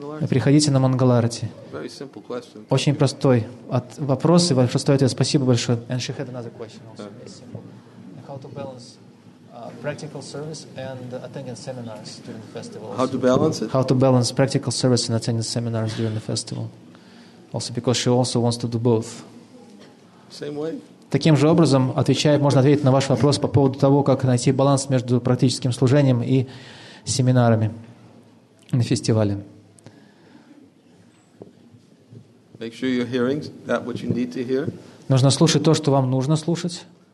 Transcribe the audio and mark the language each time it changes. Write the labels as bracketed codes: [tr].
[ru] Приходите на Мангаларати. Очень простой вопрос, и простой ответ. Спасибо большое. [en] And she had another question also. How to balance practical service and attending seminars during the festival. How to balance it? How to balance practical service and attending seminars during the festival. Also because she also wants to do both. Same way? [ru] Таким же образом можно ответить на ваш вопрос по поводу того, как найти баланс между практическим служением и семинарами на фестивале. [en] Make sure you're hearing that which you need to hear. [ru] Нужно слушать то, что вам нужно слушать.